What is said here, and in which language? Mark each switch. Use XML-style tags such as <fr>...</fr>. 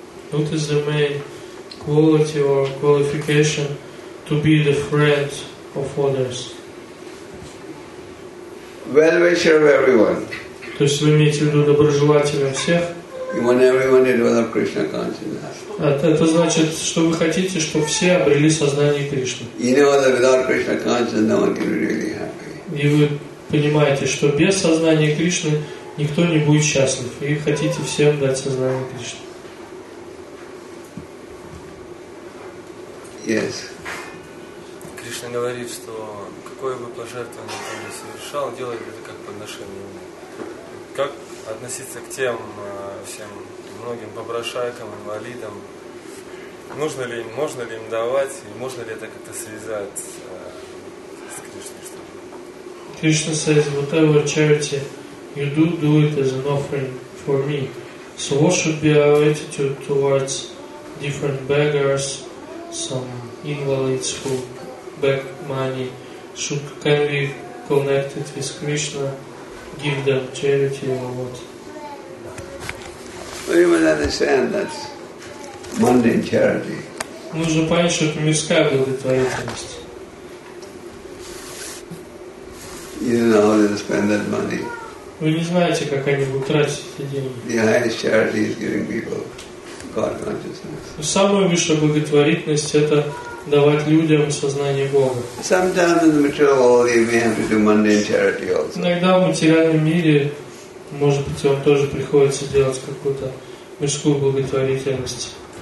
<en>What is the main quality or qualification to be the friend of others? Well-wisher of everyone.</en> <ru>То есть вы имеете в виду доброжелателя всех?</ru> <en>You want everyone to develop Krishna consciousness.</en> <ru>Это значит, что вы хотите, чтобы все обрели сознание Кришны.</ru> <en>You know that without Krishna consciousness, no one can be really happy.</en> <ru>И вы понимаете, что без сознания Кришны никто не будет счастлив. И хотите всем дать сознание Кришны.</ru> <en>Yes.</en> <ru>Кришна говорит, что какое бы пожертвование ты ни совершал, делай это как подношение. Как относиться к тем всем многим попрошайкам, инвалидам, нужно ли им, можно ли им давать, и можно ли это как-то связать с Кришной, что ли?</ru> <en>Krishna says, whatever charity you do, do it as an offering for me. So what should be our attitude towards different beggars, some invalids who beg money? Should, can we connect it with Krishna, give them charity or what? Well, you must understand that's mundane charity.</en> <ru>Нужно понять, что это мирская благотворительность.</ru> <en>You don't know how they spend that money.</en> <ru>Вы не знаете, как они будут тратить эти деньги.</ru> <en>The highest charity is giving people God consciousness.</en> <ru>Самая высшая благотворительность это давать людям сознание Бога.</ru> <en>Sometimes in the material world you may have to do mundane charity also.</en> <ru>Иногда в материальном мире, может быть, вам тоже приходится делать какую-то мирскую благотворительность.</ru>